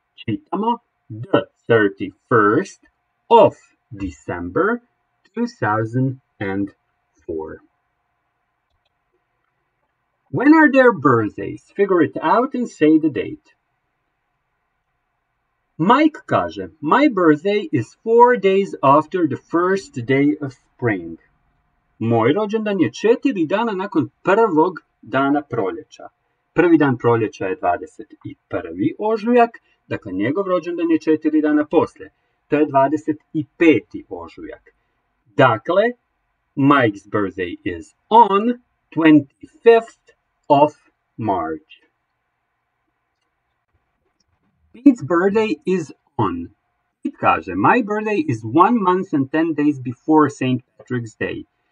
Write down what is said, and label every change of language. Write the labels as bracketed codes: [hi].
[hr] Čitamo [en] the 31st of December 2004. When are their birthdays? Figure it out and say the date. Mike kaže, my birthday is 4 days after the first day of spring. [hr] Moj rođendan je 4 dana nakon prvog dana proljeća. Prvi dan proljeća je 21. ožujak, dakle njegov rođendan je 4 dana poslije. To je 25. ožujak. [en] Dakle, Mike's birthday is on 25th of March. Pete's birthday is on. Pete kaže, my birthday is 1 month and 10 days before St. Patrick's Day.